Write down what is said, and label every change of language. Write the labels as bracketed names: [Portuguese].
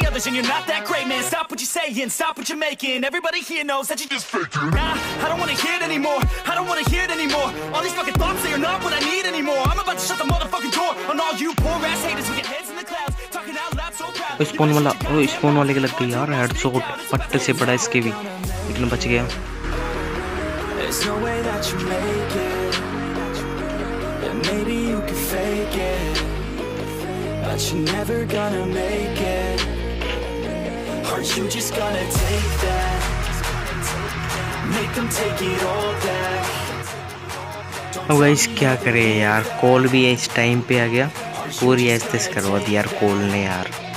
[English] And you're not that great, man. Stop what you're saying, stop what you're making. Everybody here knows that you're just faking. Nah, I don't wanna hear it anymore. I don't wanna hear it anymore. All these fucking thoughts, they are not what I need anymore. I'm about to shut the motherfucking door on all you poor ass haters with your heads in the clouds, talking out loud so proud. [Hindi] इस phone वाला, ओ इस phone वाले के लग गई यार headshot, पट्टे से बड़ा इसके भी, लेकिन बच गया। [English] There's no way that you make it. And maybe you can fake it. But you're never gonna make it. Aren't you just gonna take that? Make them take it all back. [Hindi] अब guys क्या करें यार, call भी इस time पे आ गया, पूरी ऐसे करवा दी यार कॉल ने यार।